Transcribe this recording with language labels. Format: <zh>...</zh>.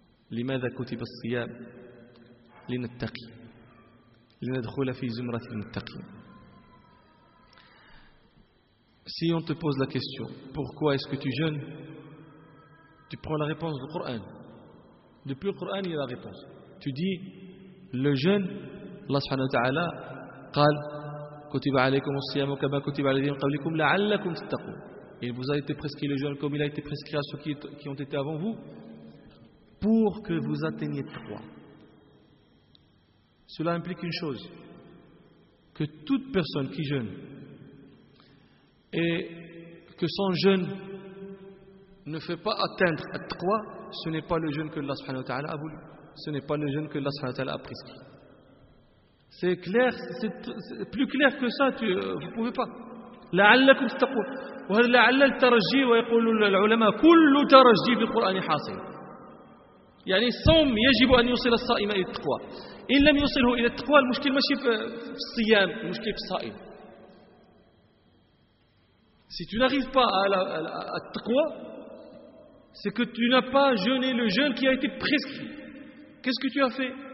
<ar>لماذا كتب الصيام؟ لنتقي لندخل في زمرة المتقين.</ar> <fr>Si on te pose la question pourquoi est-ce que tu jeûnes, tu prends la réponse du Coran. Depuis le Coran il y a la réponse. Tu dis le jeûne,</fr> <ar>Allah سبحانه وتعالى قال كتب عليكم الصيام كما كتب على الذين قبلكم لعلكم تتقون.</ar> <fr>Il vous a été prescrit le jeûne comme il a été prescrit à ceux qui ont été avant vous pour que vous atteigniez taqwa. Cela implique une chose, que toute personne qui jeûne et que son jeûne ne fait pas atteindre taqwa, ce n'est pas le jeûne que Allah subhanahu wa ta'ala a voulu, ce n'est pas le jeûne que Allah subhanahu wa ta'ala a prescrit. C'est clair, c'est plus clair que ça, vous ne pouvez pas.</fr> <ar>لعلكم تتقون وهذا لعل الترجي. ويقول العلماء كل ترجي في القرآن حاصل. يعني الصوم يجب أن يوصل الصائم إلى التقوى. إن لم يوصله إلى التقوى المشكلة ماشي في الصيام، المشكلة في الصائم.</ar> <fr>Si tu n'arrives pas à la taqwa, c'est que tu n'as pas jeûné le jeûne qui a été prescrit. Qu'est-ce que tu as fait?</fr>